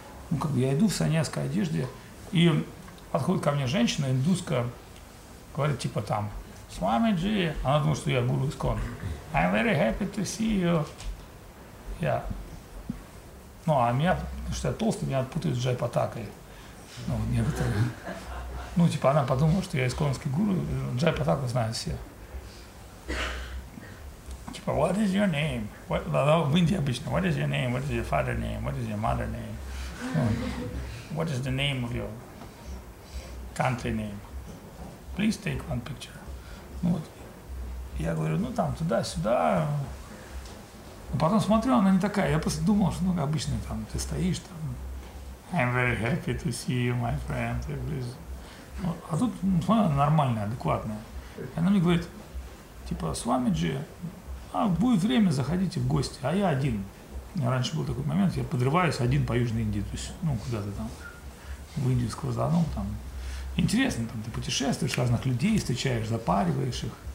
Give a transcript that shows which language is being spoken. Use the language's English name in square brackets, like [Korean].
[Russian] Ну, как бы я иду в саньяской одежде, и подходит ко мне женщина индуска, говорит, типа там, «Свамиджи», она думала, что я гуру искон. [English] «I'm very happy to see you». [Russian] Я, ну, а меня, потому что я толстый, меня путают с Джайпатакой. Ну, некоторые. Ну, типа, она подумала, что я исконский гуру, Джайпатаку знают все. Типа, [English] «What is your name?» [Russian] В Индии обычно, [English] «What is your name? What is your father name? What is your mother name? What is the name of your country name? Please take one picture». [Russian] Ну вот, я говорю, ну там, туда-сюда. А потом смотрю, она не такая. Я просто думал, что, ну, обычно там, ты стоишь там. [English] I'm very happy to see you, my friend. [Russian] Вот. А тут, ну, смотри, она нормальная, адекватная. И она мне говорит, типа, «Свамиджи, а будет время, заходите в гости». А я один. Раньше был такой момент, я подрываюсь один по Южной Индии, то есть, ну, куда-то там, в Индию сквозданул там. Интересно, там ты путешествуешь, разных людей встречаешь, запариваешь их.